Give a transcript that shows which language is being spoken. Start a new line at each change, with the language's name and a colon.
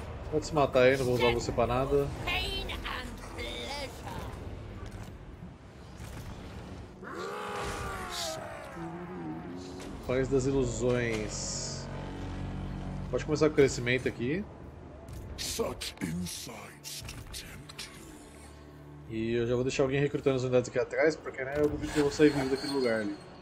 Portuguese: Pode se matar aí, não vou usar você pra nada.
English: Pain and pleasure.
Portuguese: País das ilusões. Pode começar o crescimento aqui.
English: Such insights to tempt you.
Portuguese: E eu já vou deixar alguém recrutando as unidades aqui atrás, porque né, eu duvido que eu vou sair vivo daquele lugar ali.